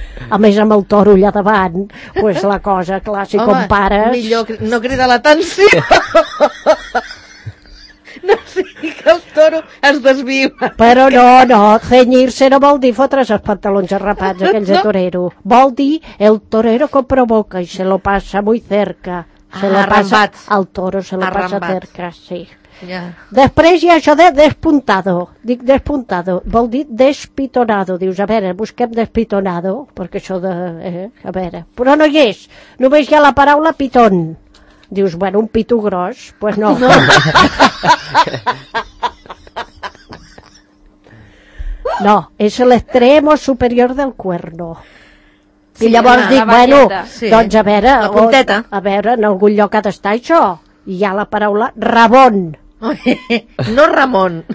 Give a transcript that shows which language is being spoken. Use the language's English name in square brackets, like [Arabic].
[Catalan] A més, amb el toro allà davant, pues la cosa, clar, si home, compares... Home, millor no crida l'atenció! No sigui que el toro es desviu. Però no, cenyir-se no vol dir fotre's els pantalons arrapats aquells de torero. Vol dir el torero que provoca i [Spanish] se lo passa muy cerca. Se lo passa al toro, se lo passa cerca, sí. [Catalan] Després hi ha això de despuntado. Dic despuntado, vol dir despitonado. Dius, a veure, busquem despitonado, perquè això de... a veure. Però no hi és, només hi ha la paraula pitón. Dius, bueno, un pitu gros, pues no. [Spanish] No, és l'extremo superior del cuerno. [Catalan] I llavors sí, dic, bueno, sí. Doncs a veure, la punteta. A veure, en algun lloc ha d'estar això. Hi ha la paraula rabón. No Ramon.